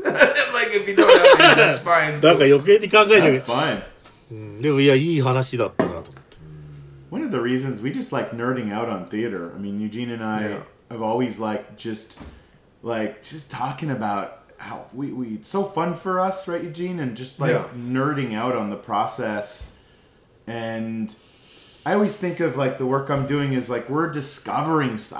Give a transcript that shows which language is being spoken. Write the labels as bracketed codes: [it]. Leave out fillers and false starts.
[en] Like, if you don't have any, that's fine. [ja] なんか余計に考えちゃう。 [en] That's fine. [ja] でもいや、いい話だったなと思って。 [en] One of the reasons we just like nerding out on theater. I mean, Eugene and I have always like just talking about how we it's so fun for us, right, Eugene? And just like nerding out on the process. And I always think of like the work I'm doing is like we're discovering.